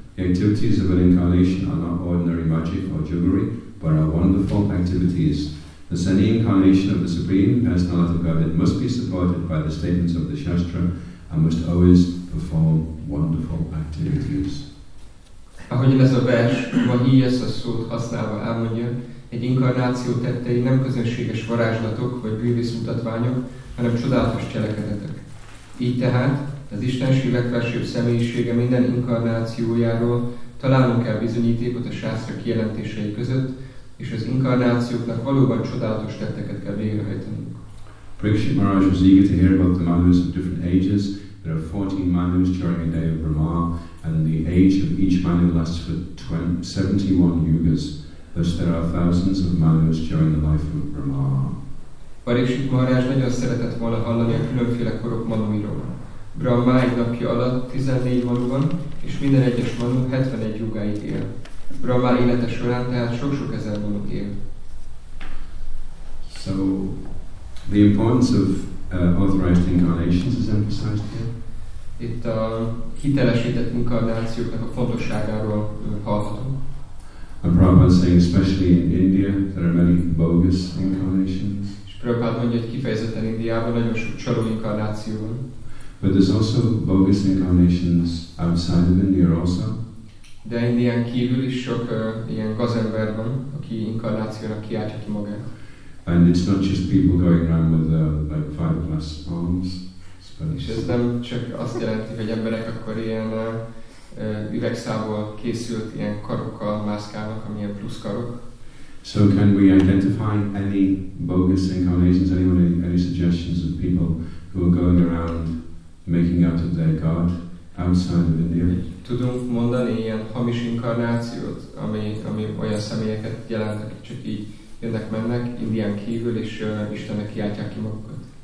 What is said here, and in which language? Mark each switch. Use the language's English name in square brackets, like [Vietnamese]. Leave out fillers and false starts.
[English] The activities of an incarnation are not ordinary magic or jugglery, but are wonderful activities. Thus, any incarnation of the Supreme Personality of Godhead must be supported by the statements of the Shastra and must always perform wonderful activities. [Hungarian] Ahogy ez a vers, vagy ilyes a szót használva elmondja, egy inkarnáció tettei nem közönséges varázslatok vagy bűvészmutatványok, hanem csodálatos cselekedetek. Így tehát az Istenség legfelsőbb személyisége minden inkarnációjáról találunk el bizonyítékot a sászra kijelentései között, és az inkarnációknak valóban csodálatos tetteket kell végrehajtanunk. [English] Prakashit Maharaj was eager to hear about the manus of different ages. There are 14 manus during a day of Brahma, and the age of each manu lasts for 71 yugas. Thus there are thousands of manus during the life of Brahma. [Hungarian] Parikshit Maharaj nagyon szeretett volna hallani a különféle korok manuiról. Brahma egy napja alatt 14 manu van, és minden egyes manu 71 yugáig él. Brahma élete során tehát sok-sok ezer manu él. [English] So, the importance of authorized incarnations is emphasized here. [Hungarian] Itt a hitelesített inkarnációknak a fontosságáról hallhatunk. [English] And Prabhupada saying, especially in India, there are many bogus incarnations. [Hungarian] Prabhupada mondja, hogy kifejezetten Indiában nagyon sok csaló inkarnáció van. [English] But there's also bogus incarnations outside of India also. [Hungarian] De Indián kívül is sok ilyen gazember van, aki inkarnációnak kiáltja ki magát. [English] And it's not just people going around with like five glass palms. [Hungarian] És ez nem csak azt jelenti, hogy emberek akkor ilyen üvegszából készült ilyen karokkal mászkálnak, amilyen plusz karok. [English] So can we identify any bogus incarnations? Anyone any suggestions of people who are going around making out of their god outside of India? [Hungarian] Tudunk mondani ilyen hamis inkarnációt, ami olyan személyeket jelent, akik csak így jönnek-mennek Indián kívül, és Istennek kiáltják ki magukat.